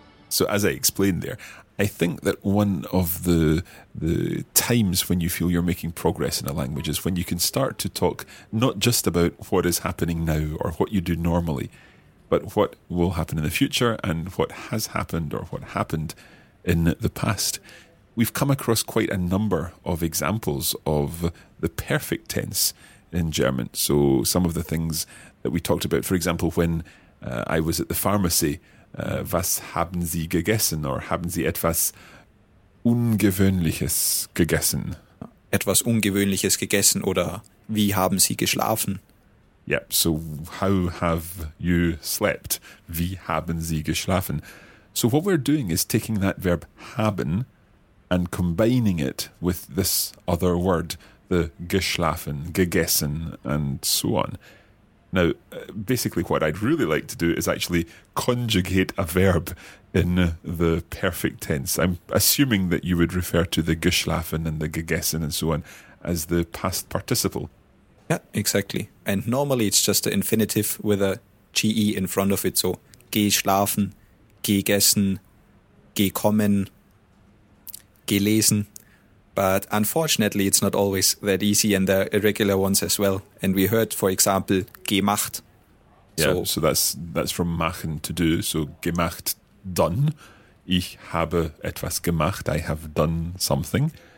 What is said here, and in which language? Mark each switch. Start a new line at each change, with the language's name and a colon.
English: So as I explained there, I think that one of the times when you feel you're making progress in a language is when you can start to talk not just about what is happening now or what you do normally, but what will happen in the future and what has happened or what happened in the past. We've come across quite a number of examples of the perfect tense in German. So some of the things that we talked about, for example, when I was at the pharmacy, was
German: haben Sie gegessen?
English: Or
German: haben Sie etwas Ungewöhnliches gegessen? Etwas Ungewöhnliches gegessen oder wie haben Sie geschlafen?
English: Yep, so how have you slept?
German: Wie haben Sie geschlafen?
English: So what we're doing is taking that verb haben and combining it with this other word, the geschlafen, gegessen, and so on. Now, basically what I'd really like to do is actually conjugate a verb in the perfect tense. I'm assuming that you would refer to the geschlafen and the gegessen and so on as the past participle. Yeah, exactly. And normally it's just an infinitive with a GE in front of it.
German: So geschlafen, gegessen, gekommen, gelesen.
English: But unfortunately, it's not always that easy, and there are irregular ones as well. And we heard, for example, gemacht. Yeah, so that's from machen, to do.
German: So gemacht, done. Ich habe etwas gemacht.
English: I have done something.